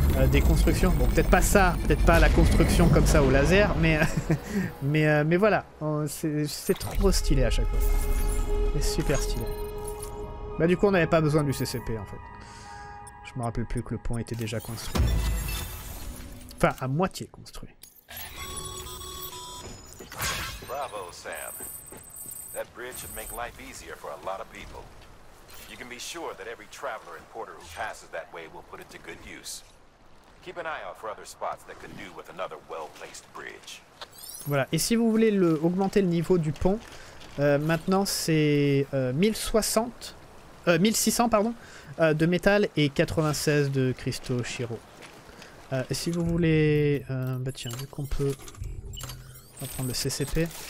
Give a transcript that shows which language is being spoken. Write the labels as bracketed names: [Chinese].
[French] Des constructions, bon peut-être pas ça, peut-être pas la construction comme ça au laser, mais voilà, c'est trop stylé à chaque fois, c'est super stylé. Bah du coup on n'avait pas besoin du CCP en fait, je me rappelle plus que le pont était déjà construit, enfin à moitié construit. [English] Bravo Sam, that bridge should make life easier for a lot of people. You can be sure that every traveler and porter who passes that way will put it to good use. Keep an eye out for other spots that could do with another well-placed bridge. [French] Voilà, et si vous voulez augmenter le niveau du pont, maintenant c'est 1600 pardon, de métal et 96 de cristaux chiro. Et si vous voulez... bah tiens, vu qu'on peut... On va prendre le CCP.